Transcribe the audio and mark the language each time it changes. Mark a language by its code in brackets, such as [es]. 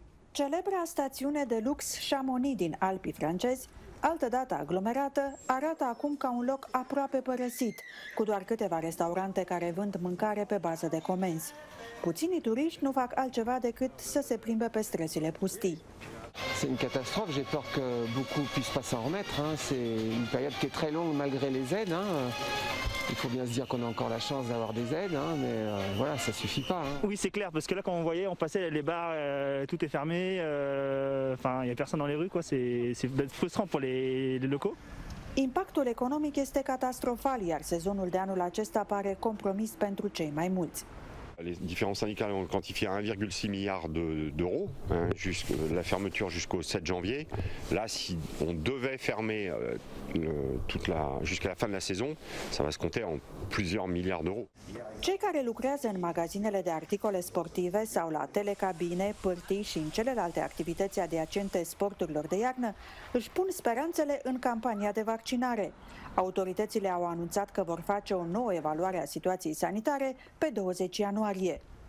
[ro] Celebra stațiune de lux Chamonix din Alpii francezi, altădată aglomerată, arată acum ca un loc aproape părăsit, cu doar câteva restaurante care vând mâncare pe bază de comenzi. Puținii turiști nu fac altceva decât să se plimbe pe străzile pustii. [fr] C'est une catastrophe, j'ai peur que beaucoup puissent pas s'en remettre, hein. C'est une période qui est très longue malgré les aides, hein. Il faut bien se dire qu'on a encore la chance d'avoir des aides, hein, mais voilà, ça suffit pas. Hein. Oui, c'est clair, parce que là, comme on voyait, on passait les bars, tout est fermé, enfin, il n'y a personne dans les rues, quoi. C'est frustrant pour les locaux. [ro] Impactul economic este catastrofal, iar sezonul de anul acesta pare compromis pentru cei mai mulți. [fr] Les différents syndicats ont quantifié 1,6 milliard d'euros, hein, jusqu'à la fermeture jusqu'au 7 janvier. Là, si on devait fermer jusqu'à la fin de la saison, ça va se compter en plusieurs milliards d'euros. [ro] Cei care lucrează în magazinele de articole sportive sau la telecabine, pârtii și în celelalte activități adiacente sporturilor de iarnă își pun speranțele în campania de vaccinare. Autoritățile au anunțat că vor face o nouă evaluare a situației sanitare pe 20 ianuarie.